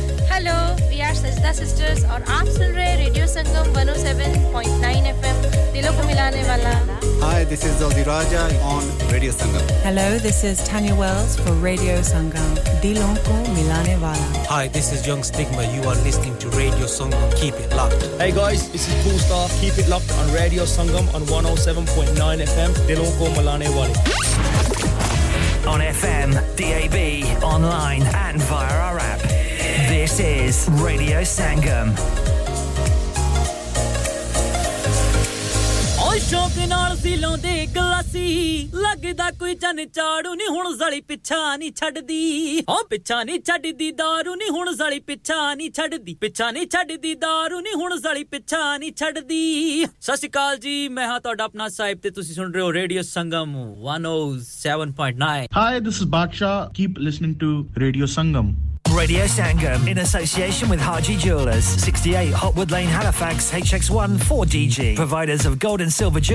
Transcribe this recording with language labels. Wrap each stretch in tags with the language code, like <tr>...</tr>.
<en>hello we are</en> <hi>सजदा sisters और आप सुन रहे रेडियो संगम 107.9 एफएम दिलों को मिलाने वाला</hi> <en>Hi, this is Dolly Raja on Radio Sangam. Hello, this is Tanya Wells for Radio Sangam.</en> <hi>Dilon ko milane wala.</hi> <en>Hi, this is Young Stigma. You are listening to Radio Sangam. Keep it locked. Hey guys, this is Cool Star. Keep it locked on Radio Sangam on 107.9 FM.</en> <hi>Dilon ko milane wala.</hi> <en>On FM, DAB, online and via our app. This is Radio Sangam.</en> <pa>ਸ਼ੌਕ ਨਾਲ ਸੀ ਲਾਉਂਦੇ ਗਲਾਸੀ ਲੱਗਦਾ ਕੋਈ ਚੰਨ ਚਾੜੂ ਨਹੀਂ ਹੁਣ ਜ਼ਲੀ ਪਿੱਛਾ ਨਹੀਂ ਛੱਡਦੀ ਓ ਪਿੱਛਾ ਨਹੀਂ ਛੱਡਦੀ ਦਾਰੂ ਨਹੀਂ ਹੁਣ ਜ਼ਲੀ ਪਿੱਛਾ ਨਹੀਂ ਛੱਡਦੀ ਪਿੱਛਾ ਨਹੀਂ ਛੱਡਦੀ ਦਾਰੂ ਨਹੀਂ ਹੁਣ ਜ਼ਲੀ ਪਿੱਛਾ ਨਹੀਂ ਛੱਡਦੀ ਸਤਿ ਸ਼੍ਰੀ ਅਕਾਲ ਜੀ ਮੈਂ ਹਾਂ ਤੁਹਾਡਾ ਆਪਣਾ ਸਾਹਿਬ ਤੇ ਤੁਸੀਂ ਸੁਣ ਰਹੇ ਹੋ radio Sangam 107.9</pa> <en>Hi this is Badshah keep listening to Radio Sangam Radio Sangam, in association with Haji Jewellers, 68 Hotwood Lane, Halifax, HX1 4DG, providers of gold and silver jewellery.</en>